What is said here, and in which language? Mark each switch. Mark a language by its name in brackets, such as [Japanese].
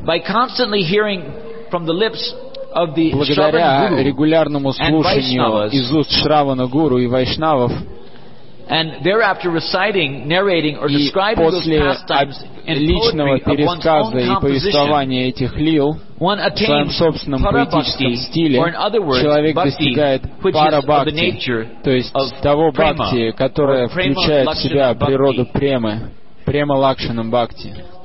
[English] By constantly hearing from the lips of the [Russian] благодаря регулярному слушанию из уст Шравана Гуру и Вайшнавов. [English] And thereafter reciting, narrating, or describing those pastimes in [Russian] личного пересказа и повествования этих лил в своем собственном поэтическом стиле, человек достигает пара-бхакти, то есть того бхакти, которое включает в себя природу премы, према-лакшана-бхакти.